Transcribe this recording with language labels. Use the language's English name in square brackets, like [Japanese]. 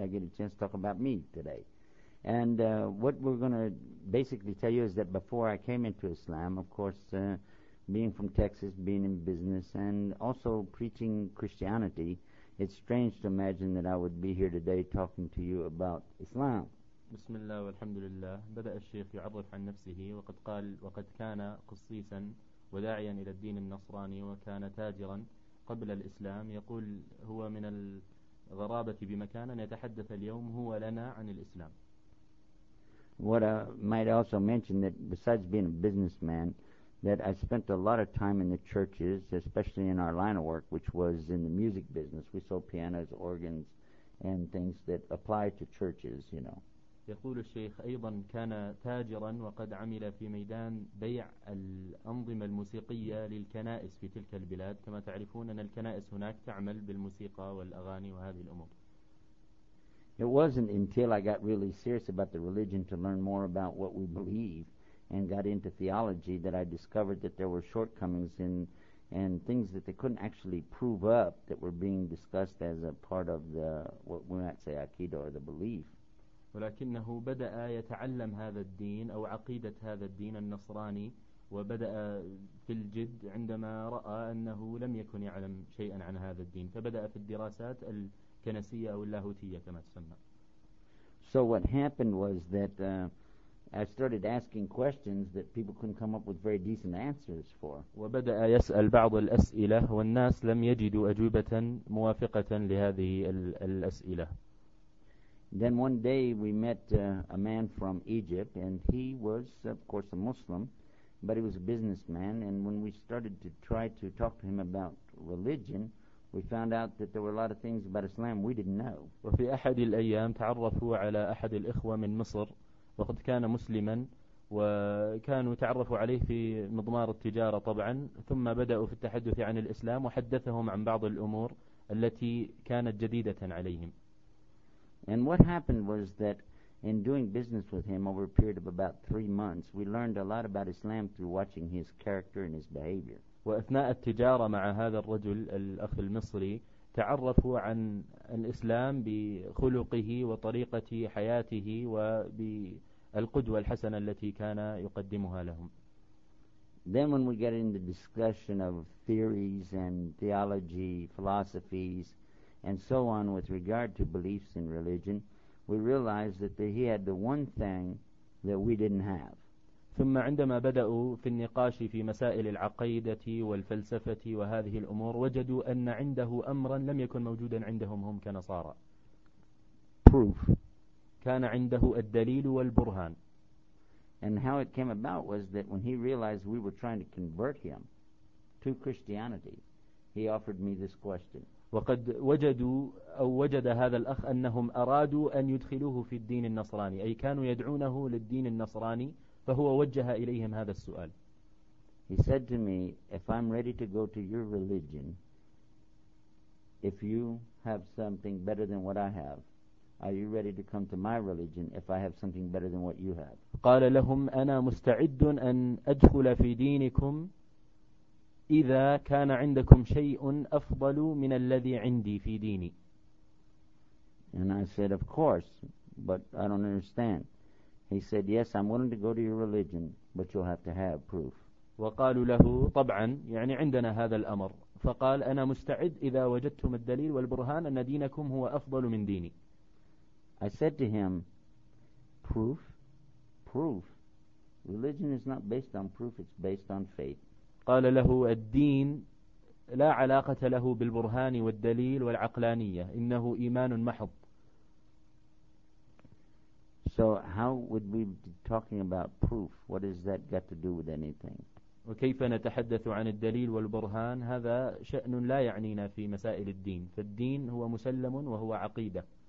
[English] I get a chance to talk about me today. And what we're going to basically tell you is that before I came into Islam, of course, being from Texas, being in business, and also preaching Christianity, it's strange to imagine that I would be here today talking to you about Islam. [Arabic] Bismillah walhamdulillah. بدأ الشيخ يعبر عن نفسه وقد قال وقد كان قصيصا وداعيا إلى الدين النصراني وكان تاجرا قبل الإسلام. يقول هو من الغرابة بمكان أن يتحدث اليوم هو لنا عن الإسلام. [English] What I might also mention that besides being a businessman, that I spent a lot of time in the churches, especially in our line of work, which was in the music business. We sold pianos, organs, and things that apply to churches, you know. [Arabic] يقول الشيخ أيضا كان تاجرا وقد عمل في ميدان بيع الأنظمة الموسيقية للكنائس في تلك البلاد. كما تعرفون أن الكنائس هناك تعمل بالموسيقى والأغاني وهذه الأمور. [English] It wasn't until I got really serious about the religion to learn more about what we believe and got into theology that I discovered that there were shortcomings and things that they couldn't actually prove up that were being discussed as a part of the, what we might say, aqidah or the belief. [Arabic] ولكنه بدأ يتعلم هذا الدين أو عقيدة هذا الدين النصراني وبدأ في الجد عندما رأى أنه لم يكن يعلم شيئا عن هذا الدين، فبدأ في الدراسات الكنسية أو اللاهوتية كما تسمى. [English] So what happened was that I started asking questions that people couldn't come up with very decent answers for. [Arabic] وبدأ يسأل بعض الأسئلة والناس لم يجدوا أجوبة موافقة لهذه الأسئلة. [English] Then one day we met a man from Egypt, and he was of course a Muslim, but he was a businessman. And when we started to try to talk to him about religion, we found out that there were a lot of things about Islam we didn't know. [Arabic] وفي أحد الأيام تعرفوا على أحد الإخوة من مصر. وقد كان مسلما وكانوا تعرفوا عليه في مضمار التجارة طبعا، ثم بدأوا في التحدث عن الإسلام وحدثهم عن بعض الأمور التي كانت جديدة عليهم. [English] And what happened was that in doing business with him over a period of about 3 months, we learned a lot about Islam through watching his character and his behavior. [Arabic] وأثناء التجارة مع هذا الرجل الأخ المصري تعرفوا عن الإسلام بخلقه وطريقة حياته وبالقدوة الحسنة التي كان يقدمها لهم. [English] Then when we get into discussion of theories and theology, philosophies, and so on with regard to beliefs in religion, we realized that he had the one thing that we didn't have. [Arabic] ثم عندما بدأوا في النقاش في مسائل العقيدة والفلسفة وهذه الأمور وجدوا أن عنده أمرا لم يكن موجودا عندهم هم كنصارى. [English] Proof. [Arabic] كان عنده الدليل والبرهان. [English] And how it came about was that when he realized we were trying to convert him to Christianity, he offered me this question. [Arabic] وقد وجدوا أو وجد هذا الأخ أنهم أرادوا أن يدخلوه في الدين النصراني، أي كانوا يدعونه للدين النصراني، فهو وجه إليهم هذا السؤال. [English] He said to me, if I'm ready to go to your religion, if you have something better than what I have, are you ready to come to my religion if I have something better than what you have? [Arabic] قال لهم أنا مستعد أن أدخل في دينكم إذا كان عندكم شيء أفضل من الذي عندي في ديني. [English] And I said, of course, but I don't understand. He said, yes, I'm willing to go to your religion, but you'll have to have proof. [Arabic] وقالوا له طبعا يعني عندنا هذا الأمر، فقال أنا مستعد إذا وجدتم الدليل والبرهان أن دينكم هو أفضل من ديني. [English] I said to him, proof? Proof. Religion is not based on proof, it's based on faith. [Arabic] قال له الدين لا علاقة له بالبرهان والدليل والعقلانية إنه إيمان محض. [English] So how would we be talking about proof? What has that got to do with anything? [Arabic] وكيف نتحدث عن الدليل والبرهان؟ هذا شأن لا يعنينا في مسائل الدين. فالدين هو مسلم وهو عقيدة.